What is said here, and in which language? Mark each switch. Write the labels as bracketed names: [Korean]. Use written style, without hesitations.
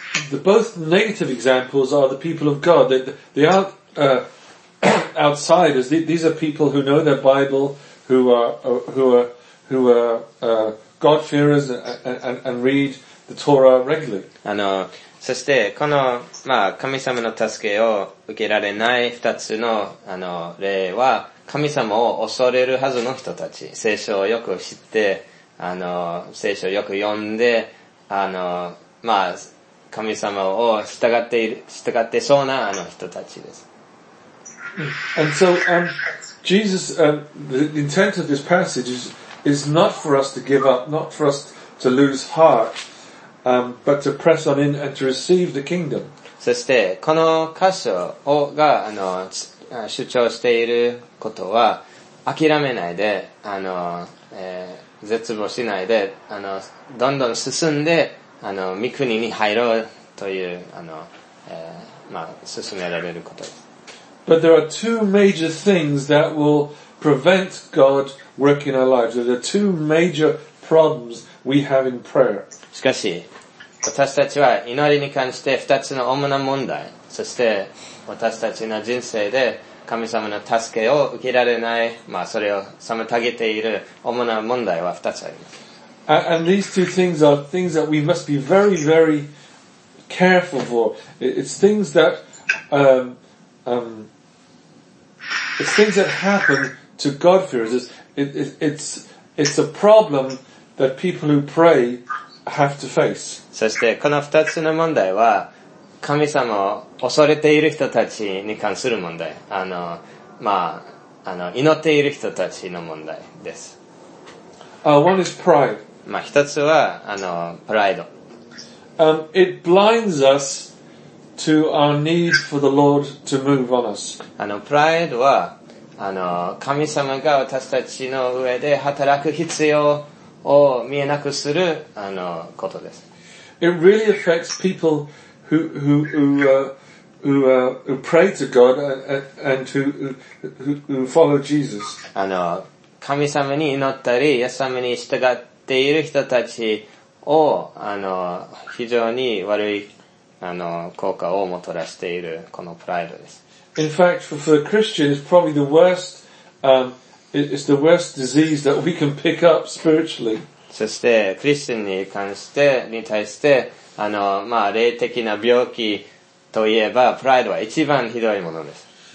[English] The both negative examples are the people of God. They are outsiders. These are people who know their Bible, who are God-fearers and read the Torah regularly. [Japanese] あの、そしてこの、まあ、神様の助けを受けられない二つの、あの、例は、神様を恐れるはずの人たち。聖書をよく知って、あの、聖書をよく読んで、あの、まあ、神様を従っている、従ってそうなあの人たちです。 [English] And so, Jesus, the intent of this passage is not for us to give up, not for us to lose heart, but to press on in and to receive the kingdom. [Japanese] そして、この箇所をが、あの、主張していることは、諦めないで、あの、絶望しないで、あの、どんどん進んで、あの、御国に入ろうという、あの、まあ、進められることです。 [English] But there are two major things that will prevent God working our lives. There are two major problems we have in prayer. [Japanese] しかし、私たちは祈りに関して二つの主な問題、そして私たちの人生で神様の助けを受けられない、まあそれを妨げている主な問題は二つあります。 [English] And these two things are things that we must be very, very careful for. It's things that, it's things that happen to God-fearers. It's a problem that people who pray have to face. [Japanese] そしてこの二つの問題は神様を恐れている人たちに関する問題。あの、まあ、あの、祈っている人たちの問題です。 [English] One is pride. [Japanese] まあ、一つは、あの、プライド。 [English] It blinds us to our need for the Lord to move on us. [Japanese] あの、プライドは、あの、神様が私たちの上で働く必要を見えなくする、あの、ことです。 [English] It really affects people who pray to God and who follow Jesus. [Japanese] あの、神様に祈ったり、イエス様に従ってている人たちを、あの、非常に悪い、あの、効果をもたらしている、このプライドです。 [English] In fact, for the Christian, it's probably the worst, it's the worst disease that we can pick up spiritually. [Japanese] そして、クリスチャンに関して、に対して、あの、まあ、霊的な病気といえば、プライドは一番ひどいものです。